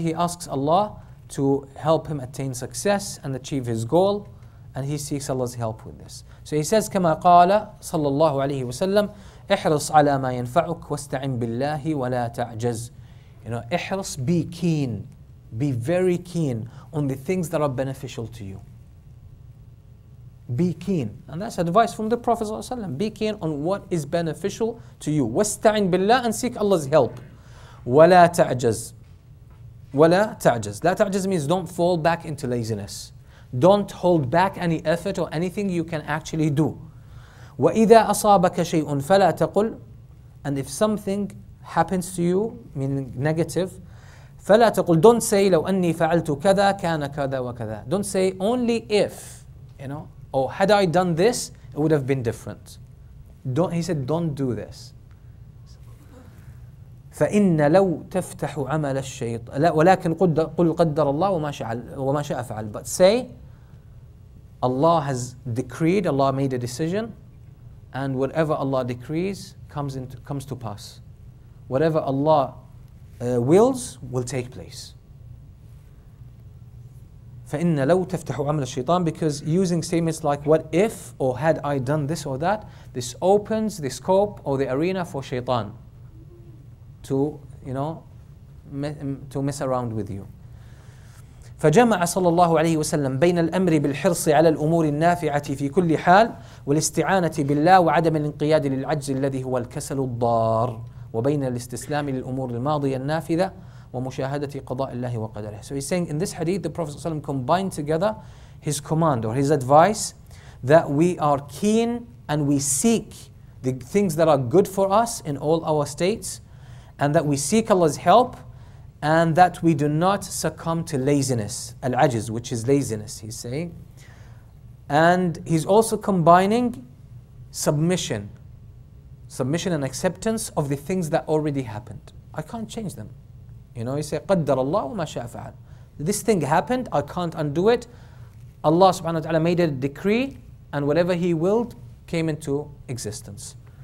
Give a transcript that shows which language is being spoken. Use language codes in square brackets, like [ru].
[en] He asks Allah to help him attain success and achieve his goal, and he seeks Allah's help with this. So he says, [ar] كَمَا قَالَ صَلَّى اللَّهُ عَلَيْهِ وَسَلَّمْ اِحْرِصْ عَلَى مَا يَنْفَعُكْ وَاسْتَعِنْ بِاللَّهِ وَلَا تَعْجَزْ. [en] You know, إِحْرِصْ, be keen, be very keen on the things that are beneficial to you. Be keen. And that's advice from the Prophet ﷺ. Be keen on what is beneficial to you. [ar] وَاسْتَعِنْ بِاللَّهِ, [en] and seek Allah's help. [ar] وَلَا تَعْجَزْ. وَلَا تَعْجَزْ. لَا تَعْجَزْ [en] means don't fall back into laziness. Don't hold back any effort or anything you can actually do. [ar] وَإِذَا أَصَابَكَ شَيْءٌ فَلَا تَقُلْ. [en] And if something happens to you, meaning negative, [ar] فَلَا تَقُلْ. [en] Don't say, [ar] لَوْ أَنِّي فَعَلْتُ كَذَا كَانَ كَذَا وَكَذَا. [en] Don't say, only if, you know, or had I done this, it would have been different. He said, don't do this. [ar] فَإِنَّ لَوْ تَفْتَحُ عَمَلَ الشَّيْطَانِ وَلَكِنْ قُلْ قَدَّرَ اللَّهُ وَمَا شَاءَ فَعَلْ. [en] But say, Allah has decreed, Allah made a decision, and whatever Allah decrees comes to pass. Whatever Allah wills will take place. [ar] فَإِنَّ لَوْ تَفْتَحُ عَمَلَ الشَّيْطَانِ. [en] Because using statements like what if or had I done this or that, this opens the scope or the arena for shaitan to mess around with you. [ar] فجمع صلى الله عليه وسلم بين الأمر بالحرص على الأمور النافعة في كل حال والاستعانة بالله وعدم الانقياد للعجز الذي هو الكسل الضار وبين الاستسلام للأمور الماضية النافذة ومشاهدة قضاء الله وقدره. [en] So he's saying in this hadith the Prophet ﷺ combined together his command or his advice that we are keen and we seek the things that are good for us in all our states, and that we seek Allah's help, and that we do not succumb to laziness, al-ajiz, which is laziness, he's saying. And he's also combining submission and acceptance of the things that already happened. I can't change them. You know, you say, [ar] قَدَّرَ اللَّهُ مَا شَاءَ فَعَلْ. [en] This thing happened, I can't undo it. Allah subhanahu wa ta'ala made a decree, and whatever He willed came into existence.